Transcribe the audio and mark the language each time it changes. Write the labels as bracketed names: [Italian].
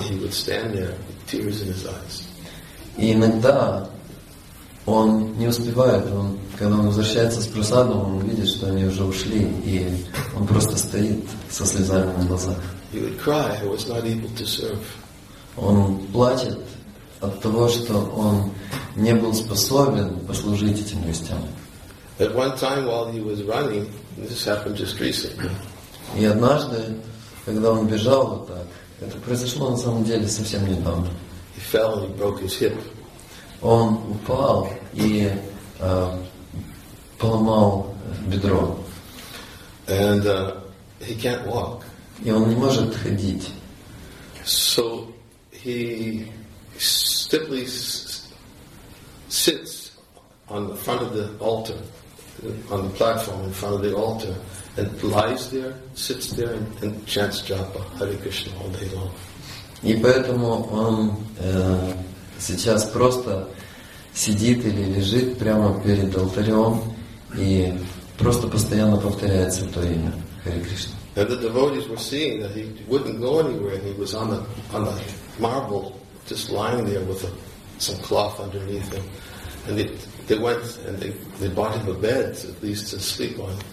[English] He would stand there with tears in his eyes. [Russian] И иногда он не успевает, он, когда он возвращается с просадом, он видит, что они уже ушли, и он просто стоит со слезами на глазах. [English] He would cry, he was not able to serve. [Russian] Он плачет от того, что он не был способен послужить этим гостям. [English] At one time, while he was running, this happened just recently. [Russian] И однажды, когда он бежал вот так, это произошло на самом деле совсем недавно. [English] He fell and he broke his hip. [Russian] Он упал и поломал бедро. [English] And he can't walk. [Russian] И он не может ходить. [English] So he simply sits on the front of the altar, on the platform in front of the altar, and lies there, sits there, and chants Japa, Hare Krishna, all day long. [Russian] И поэтому он сейчас просто сидит или лежит прямо перед алтарем и просто постоянно повторяет святое имя Хари Кришна. [English] And the devotees were seeing that he wouldn't go anywhere and he was on a marble just lying there with some cloth underneath him. And they went and they bought him a bed at least to sleep on.